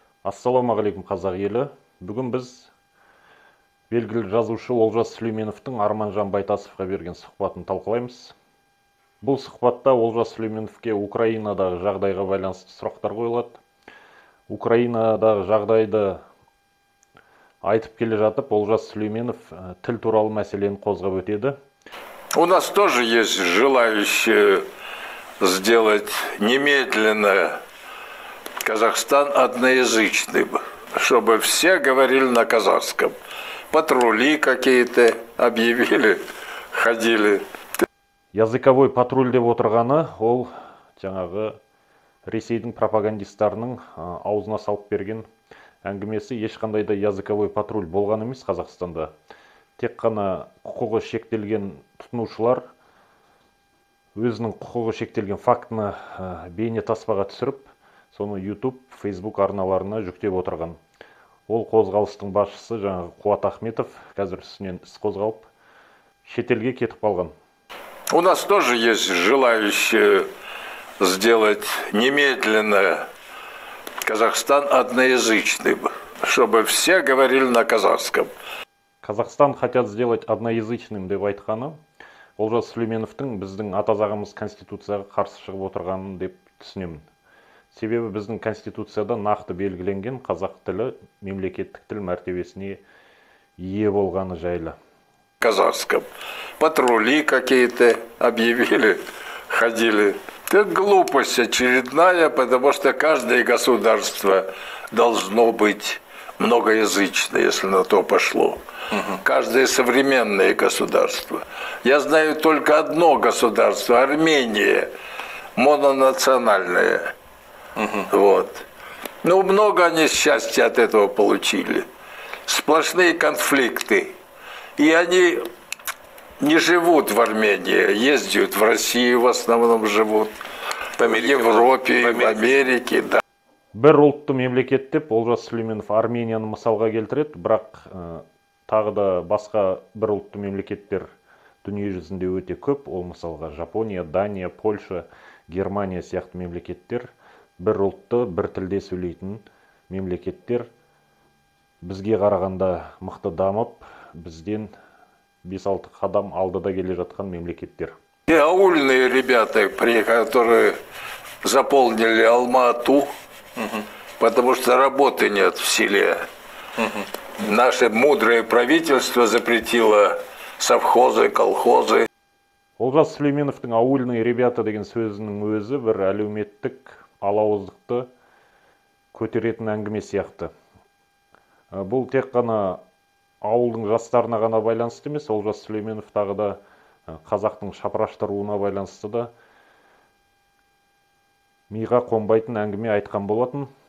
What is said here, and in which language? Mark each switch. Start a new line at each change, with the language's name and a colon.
Kazakh: Ассалаумағалейкум, қазақ елі. Бүгін біз белгілі жазушы Олжас Сүлейменовтің Арманжан Байтасовқа берген сұхбатын талқылаймыз. Бұл сұхбатта Олжас Сүлейменовке Украинадағы жағдайға байланысты сұрақтар қойылады. Украинадағы жағдайды айтып келе жатып, Олжас Сүлейменов тіл туралы мәселені қозғап өтеді.
Russian: У нас тоже есть желающие сделать немедленно Казахстан одноязычным, чтобы все говорили на казахском. Патрули какие-то объявили, ходили. Языковой патруль
Kazakh: деп отырғаны, ол жаңағы Ресейдің пропагандистарының аузына салып берген әңгімесі. Ешқандай да
Russian: языковой патруль
Kazakh: болған емес Қазақстанда. Тек қана құқығы шектелген тұтынушылар өзінің құқығы шектелген фактіні бейне таспаға түсіріп, соны YouTube, Facebook арналарына жүктеп отырған. Ол қозғалыстың басшысы жаңағы Қуат Ахметов қазір үстінен іс қозғалып, шетелге кетіп қалған.
Russian: У нас тоже есть желающие сделать немедленно Казахстан одноязычным, чтобы все говорили на казахском. Казахстан хотят сделать одноязычным,
Kazakh: деп айтқаны. Олжас Сүлейменовтің біздің атазағымыз конституцияға қарсы шығып отырғанын деп түсінемін. Себебі біздің конституцияда нақты белгіленген қазақ тілі мемлекеттік тіл мәртебесіне ие болғаны жайлы.
Russian: Казахском. Патрули какие-то объявили, ходили. Это глупость очередная, потому что каждое государство должно быть многоязычное, если на то пошло. Каждое современное государство. Я знаю только одно государство, Армения, мононациональное. Вот. Ну, много они счастья от этого получили. Сплошные конфликты. И они не живут в Армении, ездят в Россию в основном живут. В Европе, в Америке, да.
Kazakh: Бір ұлтты мемлекет деп Олжас Сүлейменов Арменияны мысалға келтіреді, бірақ тағы да басқа бір ұлтты мемлекеттер дүниежүзінде өте көп. Ол мысалға Жапония, Дания, Польша, Германия сияқты мемлекеттер, бір ұлтты, бір тілде сөйлейтін мемлекеттер бізге қарағанда мықты дамып, бізден 5-6 қадам алдыда келе жатқан мемлекеттер.
Russian: И аульные ребята, которые заполнили Алма-Ату, потому что работы нет в селе. Наше мудрое правительство запретило совхозы, колхозы.
Kazakh: Олжас Сүлейменовтің
Russian: аульные ребята
Kazakh: деген сөзінің өзі бір әлеуметтік алауыздықты көтеретін әңгіме сияқты. Бұл тек қана ауылдың жастарына ғана байланысты емес, Олжас Сүлейменов тағы да қазақтың шапыраштыруына байланысты да миға қонбайтын әңгіме айтқан болатын.